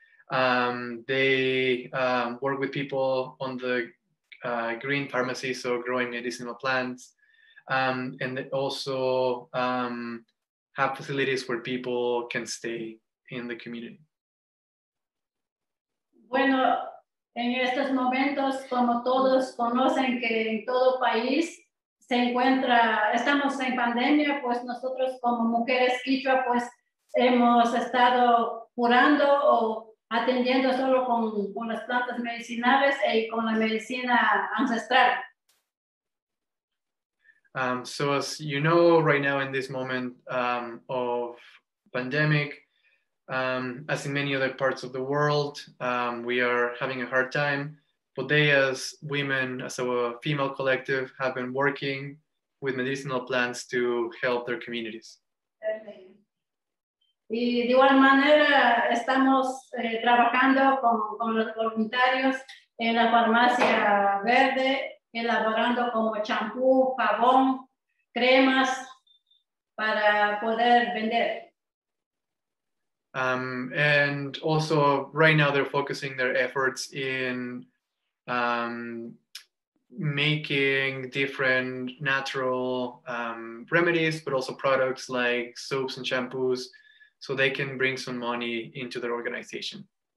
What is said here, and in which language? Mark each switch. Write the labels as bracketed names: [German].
[English] They work with people on the green pharmacy, so growing medicinal plants. And they also have facilities where people can stay in the community. [Spanish] Bueno, en estos momentos, como todos conocen que en todo país, se encuentra, estamos en pandemia, pues nosotros como mujeres quichua, pues hemos estado curando o atendiendo solo con las plantas medicinales y con la medicina ancestral. [English] So as you know, right now in this moment of pandemic, as in many other parts of the world, we are having a hard time. But they, as women, as a female collective, have been working with medicinal plants to help their communities. [Spanish] Y de igual manera, estamos trabajando con los voluntarios en la farmacia verde, elaborando como champú, jabón, cremas, para poder vender. [English] And also, right now, they're focusing their efforts in making different natural remedies, but also products like soaps and shampoos, so they can bring some money into their organization.